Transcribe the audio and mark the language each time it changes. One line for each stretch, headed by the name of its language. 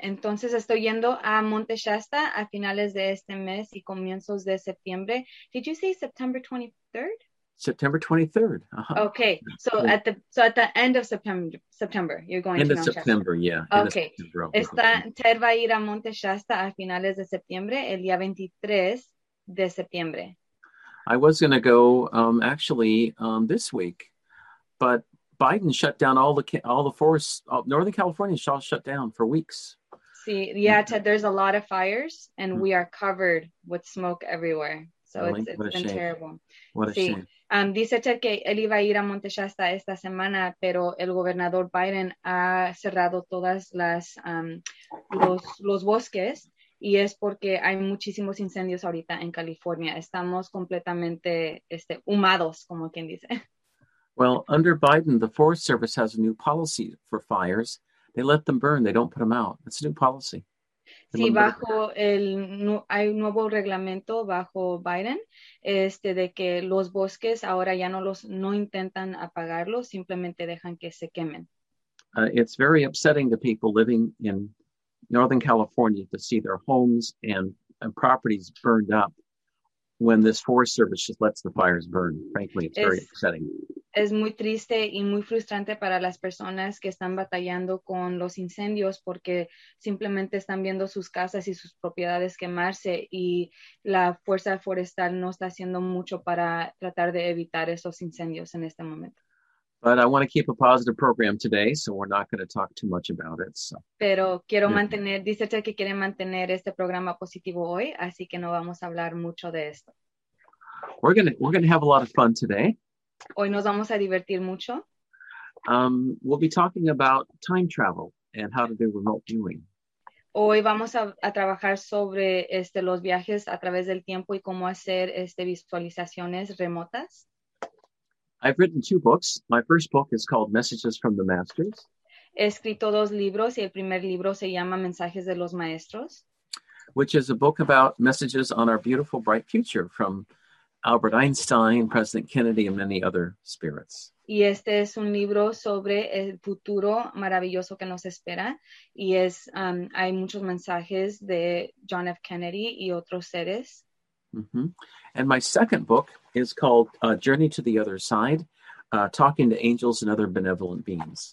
Spanish: Entonces estoy yendo a Monte Shasta a finales de este mes y comienzos de septiembre.
English: Did you say September 23rd? September 23rd. Uh-huh. Okay. So at the end of September, you're going end to of Mount September, Shasta. Yeah. Okay.
Spanish: Ted va a ir a Monte Shasta a finales de septiembre, el día 23 de septiembre.
English: I was going to go this week, but Biden shut down all the forests. Northern California is all shut down for weeks. See, yeah, Ted, there's a lot of fires and we are covered with smoke everywhere. So it's been terrible. What a shame.
Spanish: Dice Ted que él iba a ir a Monte Shasta esta semana, pero el gobernador Biden ha cerrado todas las los bosques. Y es porque hay muchísimos incendios ahorita en California. Estamos completamente humados, como quien dice.
English: Well, under Biden, the Forest Service has a new policy for fires. They let them burn. They don't put them out. It's a new policy.
Spanish: Sí, bajo hay un nuevo reglamento bajo Biden, de que los bosques ahora ya no intentan apagarlos, simplemente dejan que se quemen.
English: It's very upsetting to people living in Northern California to see their homes and properties burned up when this Forest Service just lets the fires burn. Frankly, it's very upsetting.
Spanish: Es muy triste y muy frustrante para las personas que están batallando con los incendios porque simplemente están viendo sus casas y sus propiedades quemarse y la fuerza forestal no está haciendo mucho para tratar de evitar esos incendios en este momento.
English: But I want to keep a positive program today, so we're not going to talk too much about it. So.
Spanish: Pero quiero mantener, dice usted que quiere mantener este programa positivo hoy, así que no vamos a hablar mucho de esto.
English: We're going to have a lot of fun today.
Spanish: Hoy nos vamos a divertir mucho.
English: We'll be talking about time travel and how to do remote viewing.
Spanish: Hoy vamos a trabajar sobre los viajes a través del tiempo y cómo hacer visualizaciones remotas.
English: I've written two books. My first book is called Messages from the Masters.
Spanish: He escrito dos libros y el primer libro se llama Mensajes de los Maestros.
English: Which is a book about messages on our beautiful, bright future from Albert Einstein, President Kennedy, and many other spirits.
Spanish: Y este es un libro sobre el futuro maravilloso que nos espera. Y es, hay muchos mensajes de John F. Kennedy y otros seres. Mm-hmm.
English: And my second book is called Journey to the Other Side, Talking to Angels and Other Benevolent Beings.